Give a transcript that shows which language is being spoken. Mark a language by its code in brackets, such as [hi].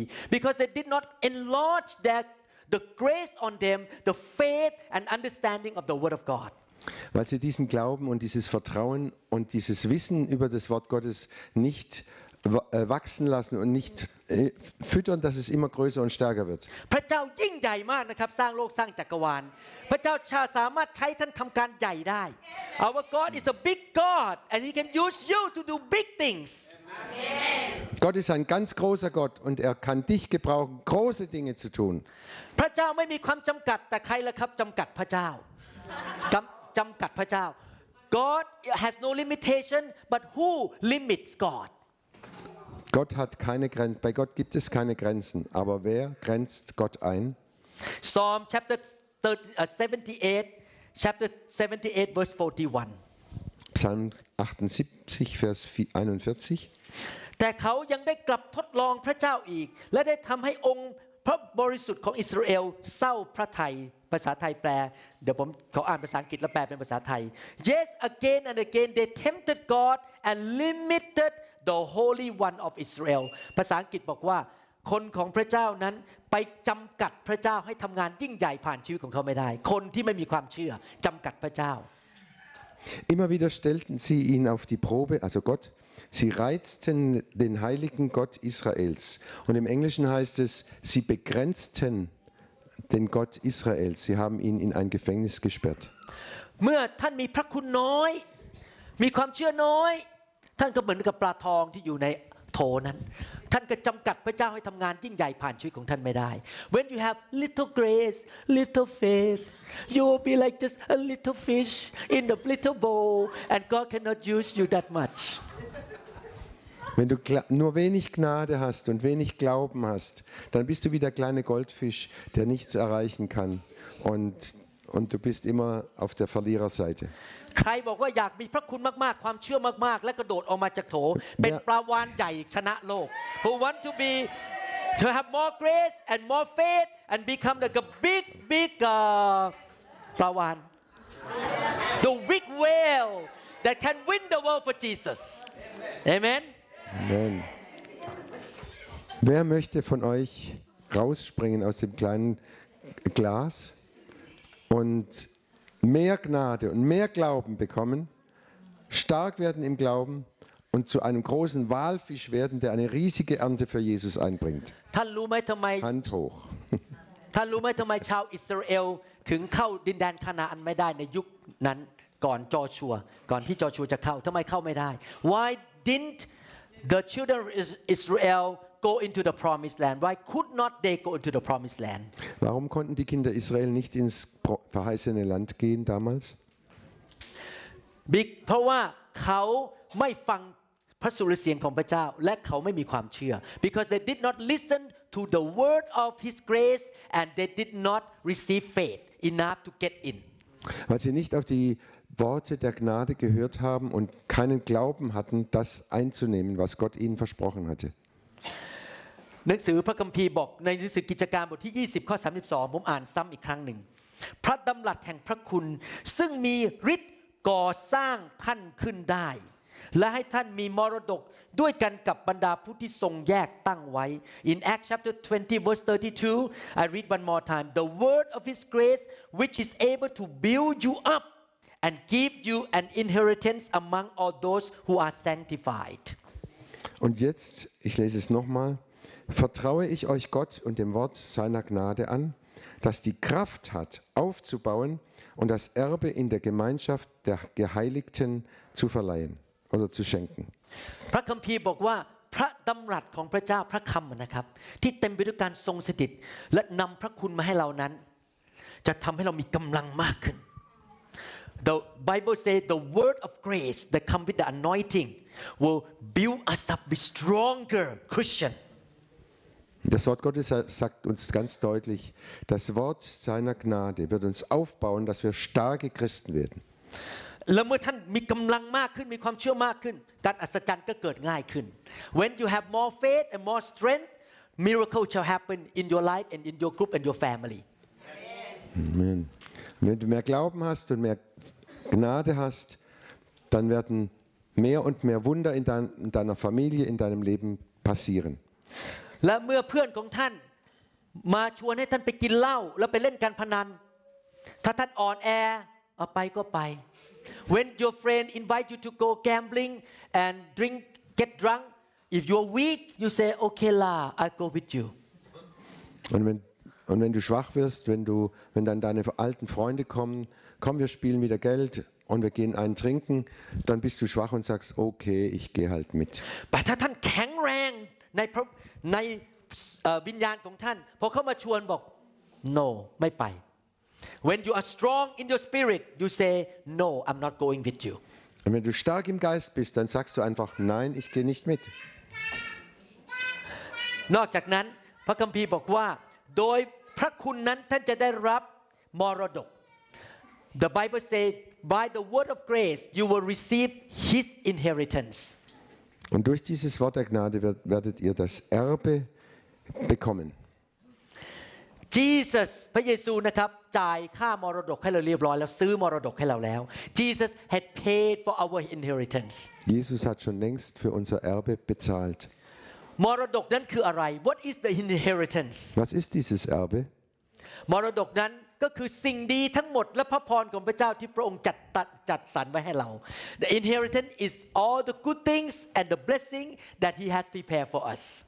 [en] Because they did not enlarge the grace on them, the faith and understanding of the Word of God. [de] Weil sie diesen Glauben und dieses Vertrauen und dieses Wissen über das Wort Gottes nicht wachsen lassen und nicht füttern, dass es immer größer und stärker wird. [th] พระเจ้ายิ่งใหญ่มากนะครับสร้างโลกสร้างจักรวาลพระเจ้าสามารถใช้ท่านทำการใหญ่ได้ [en] Our God is a big God and he can use you to do big things. [de] Gott ist ein ganz großer Gott und er kann dich gebrauchen, große Dinge zu tun. [th] พระเจ้าไม่มีความจำกัดแต่ใครล่ะครับจำกัดพระเจ้าจำกัดพระเจ้า [en] God has no limitation but who limits God [de] Gott hat keine Grenzen. Bei Gott gibt es keine Grenzen. Aber wer grenzt Gott ein? [en] Psalm chapter 78, chapter 78, verse 41. [de] Psalm 78, vers 41. [th] แต่เขายังได้กลับทดลองพระเจ้าอีกและได้ทำให้องค์พระบริสุทธิ์ของอิสราเอลเศร้าพระทัยภาษาไทยแปลเดี๋ยวผมขออ่านภาษาอังกฤษแล้วแปลเป็นภาษาไทย [en] Yes, again and again they tempted God and limitedThe Holy One of Israel. [th] ภาษาอังกฤษบอกว่าคนของพระเจ้านั้นไปจำกัดพระเจ้าให้ทำงานยิ่งใหญ่ผ่านชีวิตของเขาไม่ได้คนที่ไม่มีความเชื่อจำกัดพระเจ้า [de] Immer wieder stellten sie ihn auf die Probe, also Gott. Sie reizten den heiligen Gott Israels. Und im Englischen heißt es, sie begrenzten den Gott Israels. Sie haben ihn in ein Gefängnis gesperrt. [th] เมื่อท่านมีพระคุณน้อยมีความเชื่อน้อยท่านก็เหมือนกับปลาทองที่อยู่ในโถนั้นท่านก็จำกัดพระเจ้าให้ทำงานยิ่งใหญ่ผ่านชีวิตของท่านไม่ได้ [en] When you have little grace, little faith, you will be like just a little fish in the little bowl, and God cannot use you that much. [de] Wenn du nur wenig Gnade hast und wenig Glauben hast, dann bist du wie der kleine Goldfisch, der nichts erreichen kann, und du bist immer auf der Verliererseite. [th] ใครบอกว่าอยากมีพระคุณมากๆความเชื่อมากๆและกระโดดออกมาจากโถเป็นปลาวาฬใหญ่ชนะโลก [en] Who want to be to have more grace and more faith and become like a big [th] ปลาวาฬ [en] The weak will that can win the world for Jesus. Amen. Amen. [de] Wer möchte von euch rausspringen aus dem kleinen Glas und mehr Gnade und mehr Glauben bekommen, stark werden im Glauben und zu einem großen Walfisch werden, der eine riesige Ernte für Jesus einbringt? Hand hoch. [th] ท่านรู้ไหมทำไมชาวอิสราเอลถึงเข้าดินแดนคานาอันไม่ได้ในยุคนั้นก่อนจอชัวก่อนที่จอชัวจะเข้าทำไมเข้าไม่ได้ [en] Why didn't the children of Israel go into the promised land? Why could not they go into the promised land? [de] Warum konnten die Kinder Israel nicht ins verheißene Land gehen damals? [th] เพราะว่าเขาไม่ฟังพระสุรเสียงของพระเจ้าและเขาไม่มีความเชื่อ [en] because they did not listen to the word of his grace and they did not receive faith enough to get in [de] weil sie nicht auf die Worte der Gnade gehört haben und keinen Glauben hatten das einzunehmen was Gott ihnen versprochen hatte [th] หนังสือพระคัมภีร์บอกในหนังสือกิจการบทที่20ข้อ32ผมอ่านซ้ำอีกครั้งหนึ่งพระดำรัสแห่งพระคุณซึ่งมีฤทธิ์ก่อสร้างท่านขึ้นได้และให้ท่านมีมรดกด้วยกันกับบรรดาผู้ที่ทรงแยกตั้งไว้ [en] In Acts chapter 20 verse 32 I read one more time The word of his grace which is able to build you up and give you an inheritance among all those who are sanctified [de] Und jetzt ich lese es noch mal Vertraue ich euch Gott und dem Wort seiner Gnade an das die Kraft hat aufzubauen und das Erbe in der Gemeinschaft der Geheiligten zu verleihen oder zu schenken. [th] พระคัมภีร์บอกว่าพระดํารัสของพระเจ้าพระคำนะครับที่เต็มไปด้วยการทรงสถิตและนําพระคุณมาให้เรานั้นจะทําให้เรามีกําลังมากขึ้น [en] The Bible say the word of grace that come with the anointing will build us up be stronger Christian. [de] Das Wort Gottes sagt uns ganz deutlich, das Wort seiner Gnade wird uns aufbauen, dass wir starke Christen werden. [th] แล้วเมื่อท่านมีกำลังมากขึ้นมีความเชื่อมากขึ้นการอัศจรรย์ก็เกิดง่ายขึ้น [en] When you have more faith and more strength miracle shall happen in your life and in your group and your family Amen [de] Wenn du mehr Glauben hast und mehr Gnade hast dann werden mehr und mehr Wunder in deiner Familie in deinem Leben passieren [th] และเมื่อเพื่อนของท่านมาชวนให้ท่านไปกินเหล้าแล้วไปเล่นการพนันถ้าท่านอ่อนแอเอาไปก็ไป [en] When your friend invites you to go gambling and drink, get drunk, if you are weak, you say, okay, la, I'll go with you. [de] Und wenn du schwach wirst, wenn dann deine alten Freunde kommen, komm, wir spielen wieder Geld und wir gehen einen trinken, dann bist du schwach und sagst, okay, ich gehe halt mit. [en] But if you are strong in your spirit, when you come to me, no, I won't go. When you are strong in your spirit, you say, "No, I'm not going with you." [de] Und wenn du stark im Geist bist, dann sagst du einfach, "Nein, ich gehe nicht mit." [th] นอกจากนั้น พระคัมภีร์บอกว่า โดยพระคุณนั้น ท่านจะได้รับมรดก [en] The Bible says, "By the word of grace, you will receive His inheritance." [de] Und durch dieses Wort der Gnade werdet ihr das Erbe bekommen. [th] Jesus พระเยซูนะครับจ่ายค่ามรดกให้เราเรียบร้อยแล้วซื้อมรดกให้เราแล้ว [en] Jesus had paid for our inheritance [de] Jesus hat schon längst für unser Erbe bezahlt [th] มรดกนั้นคืออะไร [en] What is the inheritance [de] Was ist dieses Erbe [th] มรดกนั้นก็คือสิ่งดีทั้งหมดและพระพรของพระเจ้าที่พระองค์จัดสรรไว้ให้เรา [en] The inheritance is all the good things and the blessing that he has prepared for us